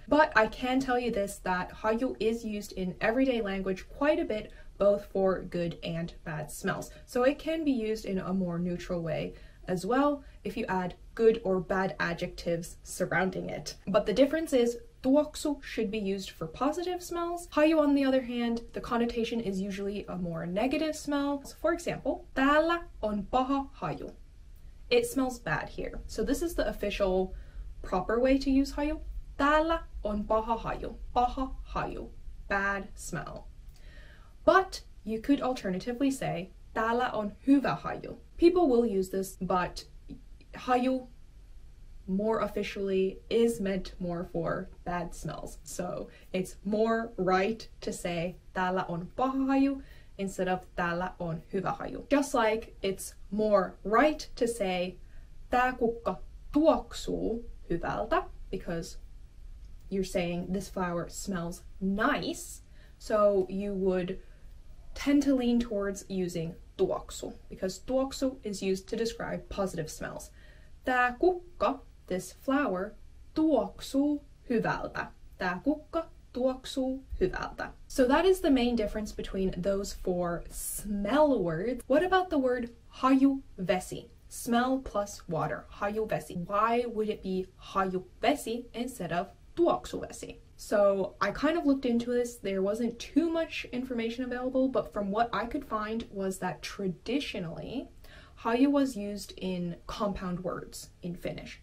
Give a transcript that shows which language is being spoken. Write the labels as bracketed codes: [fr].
[en] But I can tell you this, that haju is used in everyday language quite a bit, both for good and bad smells. So it can be used in a more neutral way as well if you add good or bad adjectives surrounding it. But the difference is tuoksu should be used for positive smells. Haju, on the other hand, the connotation is usually a more negative smell. So for example, [fi] täällä on paha haju. [en] It smells bad here. So this is the official proper way to use haju. [fi] Täällä on paha haju. Paha haju. [en] Bad smell. But you could alternatively say [fi] täällä on hyvä haju. [en] People will use this, but haju more officially is meant more for bad smells. So it's more right to say [fi] täällä on paha haju [en] instead of [fi] täällä on hyvä haju. [en] Just like it's more right to say [fi] tää kukka tuoksuu hyvältä, [en] because you're saying this flower smells nice, so you would tend to lean towards using tuoksu, because tuoksu is used to describe positive smells. [fi] Tää kukka, [en] this flower, [fi] tuoksuu hyvältä. Tää kukka tuoksuu hyvältä. [en] So that is the main difference between those four smell words. What about the word haju vesi? Smell plus water. Haju vesi. Why would it be haju vesi instead of tuoksu vesi? So I kind of looked into this. There wasn't too much information available, but from what I could find was that traditionally, haju was used in compound words in Finnish.